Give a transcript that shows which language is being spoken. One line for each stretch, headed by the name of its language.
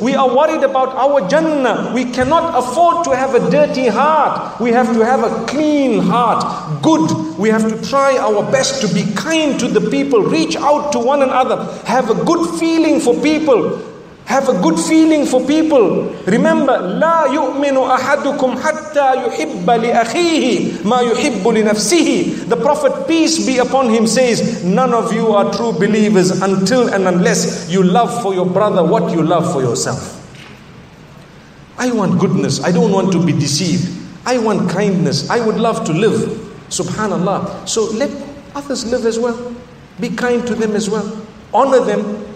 English: We are worried about our Jannah. We cannot afford to have a dirty heart. We have to have a clean heart. Good. We have to try our best to be kind to the people. Reach out to one another. Have a good feeling for people. Have a good feeling for people. Remember,
Arabic: لا يؤمن أحدكم حتى يحب لأخيه ما يحب لنفسه.
English: The Prophet, peace be upon him, says, none of you are true believers until and unless you love for your brother what you love for yourself. I want goodness. I don't want to be deceived. I want kindness. I would love to live. Subhanallah. So let others live as well. Be kind to them as well. Honor them.